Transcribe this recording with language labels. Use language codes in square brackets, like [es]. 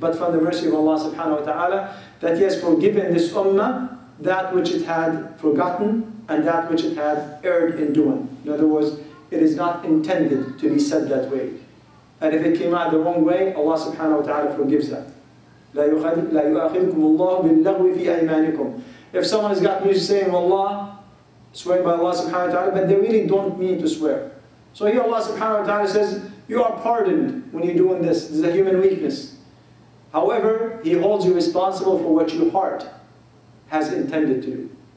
[en] But from the mercy of Allah subhanahu wa ta'ala, that He has forgiven this ummah that which it had forgotten and that which it had erred in doing. In other words, it is not intended to be said that way. And if it came out the wrong way, Allah subhanahu wa ta'ala forgives that. [ar] لا يؤاخذكم الله باللغو في أيمانكم. [en] If someone has gotten used to saying, Allah, swearing by Allah subhanahu wa ta'ala, but they really don't mean to swear. So here Allah subhanahu wa ta'ala says, you are pardoned when you're doing this. This is a human weakness. However, He holds you responsible for what your heart has intended to do.